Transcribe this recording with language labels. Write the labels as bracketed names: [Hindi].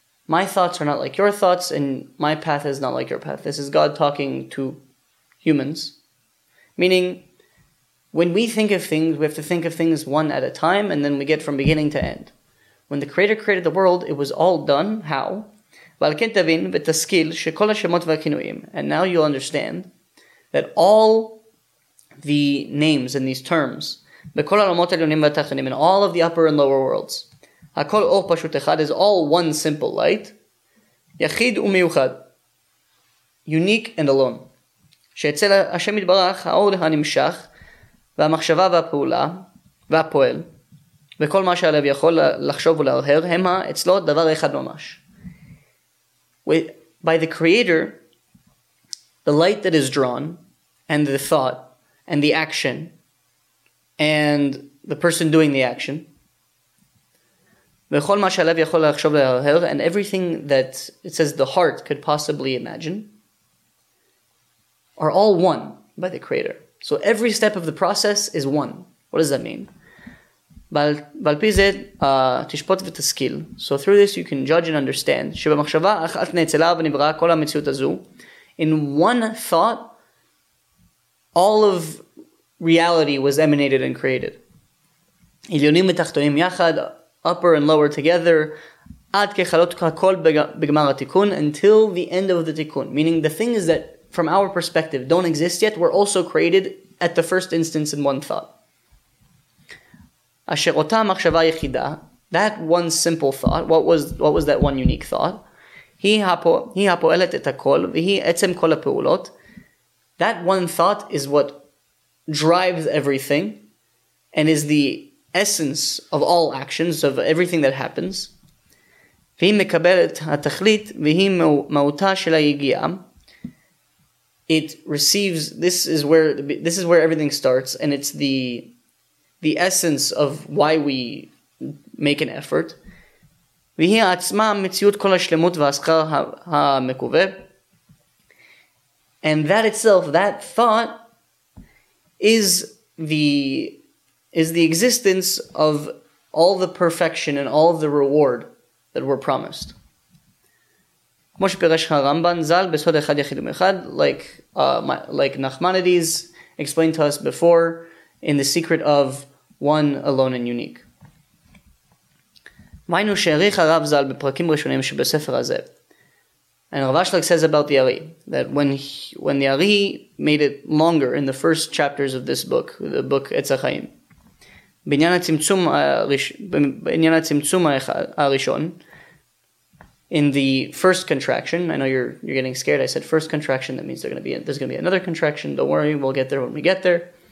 [English] My thoughts are not like your thoughts, and my path is not like your path. This is God talking to humans. Meaning, when we think of things, we have to think of things one at a time, and then we get from beginning to end. When the Creator created the world, it was all done. How? And now you'll understand that all the names and these terms, in all of the upper and lower worlds, [Hebrew] הכל אור פשוט אחד, [English] is all one simple light, [Hebrew] יחיד ומיוחד, [English] unique and alone, [Hebrew] שאצל השם יתברך, האור הנמשך, והמחשבה והפעולה, והפועל, וכל מה שהלב יכול לחשוב ולהרהר, הם אצלו דבר אחד ממש. [English] By the Creator, the light that is drawn, and the thought, and the action, and the person doing the action, [Hebrew] וכל מה שהלב יכול לחשוב להרהר, [English] and everything that it says the heart could possibly imagine, are all one by the Creator. So every step of the process is one. What does that mean? [Hebrew] ועל פי זה תשפוט ותשכיל. [English] So through this you can judge and understand, [Hebrew] שבמחשבה אחת נאצלה ונבראה כל המציאות הזו, [English] in one thought, all of reality was emanated and created. [Hebrew] עליונים ותחתונים יחד, [English] upper and lower together, [Hebrew] עד כחלות הכל בגמר התיקון, [English] until the end of the [Hebrew] תיקון. [English] Meaning the things that, from our perspective, don't exist yet, were also created at the first instance in one thought. [Hebrew] אשר אותה מחשבה יחידה, [English] that one simple thought, what was that one unique thought? [Hebrew] היא הפועלת את הכל, והיא עצם כל הפעולות. [English] That one thought is what drives everything, and is the essence of all actions, of everything that happens. [Hebrew] והיא מקבלת התכלית, והיא מהותה של היגיעה. [English] It receives, this is where everything starts, and it's the essence of why we make an effort. [Hebrew] והיא עצמה מציאות כל השלמות והשכר המקווה. [English] And that itself, that thought, is the existence of all the perfection and all the reward that were promised. [Hebrew] כמו שפירש הרמב"ן ז"ל בסוד אחד יחיד ומיוחד, [English] like Nachmanides explained to us before, in the secret of one alone and unique. [Hebrew] ראינו שהעריך הרב ז"ל בפרקים ראשונים שבספר הזה. [English] And Rav Ashlag says about the Ari, that when the Ari made it longer in the first chapters of this book, the book Etz HaChaim, [Hebrew] בעניין הצמצום הראשון, [English] in the first contraction, I know you're getting scared, I said first contraction, that means there's going to be another contraction, don't worry, we'll get there when we get there.